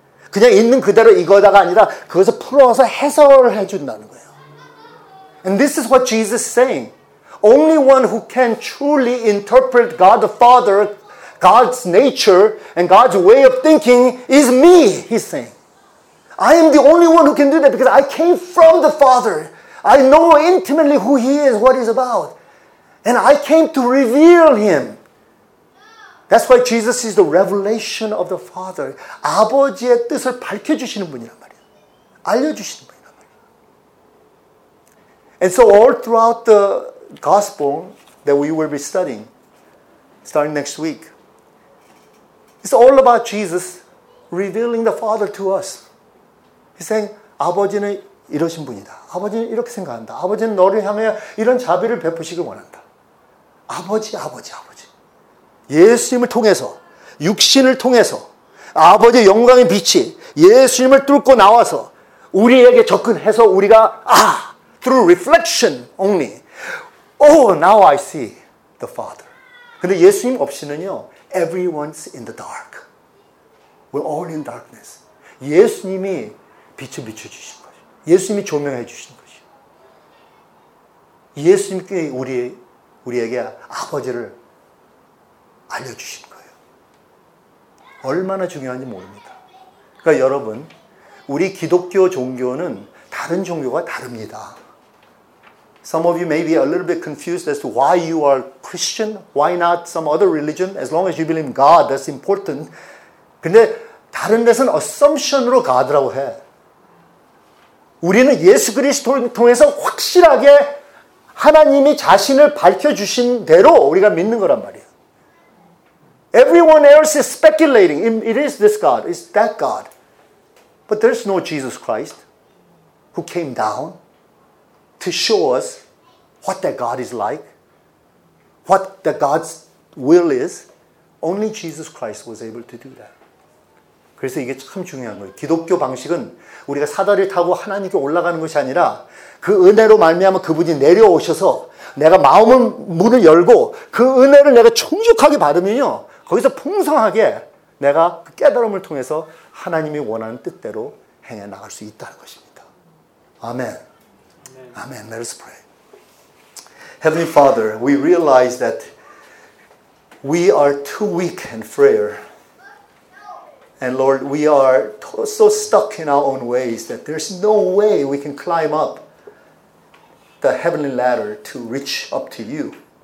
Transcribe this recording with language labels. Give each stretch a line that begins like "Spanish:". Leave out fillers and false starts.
Korean: 그냥 있는 그대로 이거다가 아니라 그것을 풀어서 해설을 해준다는 거예요.
English: And this is what Jesus is saying. Only one who can truly interpret God the Father, God's nature, and God's way of thinking is me, he's saying. I am the only one who can do that because I came from the Father. I know intimately who he is, what he's about. And I came to reveal him. That's why Jesus is the revelation of the Father.
Korean: 아버지의 뜻을 밝혀주시는 분이란 말이에요. 알려주시는 분이란 말이에요.
English: And so all throughout the gospel that we will be studying, starting next week, it's all about Jesus revealing the Father to us. He's saying,
Korean: 아버지는 이러신 분이다. 아버지는 이렇게 생각한다. 아버지는 너를 향해 이런 자비를 베푸시길 원한다. 아버지, 아버지, 아버지. 예수님을 통해서, 육신을 통해서 아버지의 영광의 빛이 예수님을 뚫고 나와서 우리에게 접근해서 우리가 아!
English: Through reflection only. Oh, now I see the Father.
Korean: 근데 예수님 없이는요,
English: everyone's in the dark. We're all in darkness.
Korean: 예수님이 빛을 비춰주신 거죠. 예수님이 조명해 주신 거죠. 예수님께 우리에게 아버지를 알려주신 거예요. 얼마나 중요한지 모릅니다. 그러니까 여러분, 우리 기독교 종교는 다른 종교가 다릅니다.
English: Some of you may be a little bit confused as to why you are Christian, why not some other religion, as long as you believe in God, that's important.
Korean: 근데 다른 데서는 assumption으로 God라고 해. 우리는 예수 그리스도를 통해서 확실하게 하나님이 자신을 밝혀주신 대로 우리가 믿는 거란 말이에요.
English: Everyone else is speculating. It is this God, it's that God. But there's no Jesus Christ who came down to show us what that God is like, what that God's will is. Only Jesus Christ was able to do that.
Korean: 그래서 이게 참 중요한 거예요. 기독교 방식은 우리가 사다리 타고 하나님께 올라가는 것이 아니라 그 은혜로 말미암아 그분이 내려오셔서 내가 마음을 문을 열고 그 은혜를 내가 충족하게 받으면요. 거기서 풍성하게 내가 그 깨달음을 통해서 하나님이 원하는 뜻대로 행해 나갈 수 있다는 것입니다.
English: 아멘. Amen. Let us pray. Heavenly Father, we realize that we are too weak and frail. And Lord, we are so stuck in our own ways that there's no way we can climb up the heavenly ladder to reach up to you.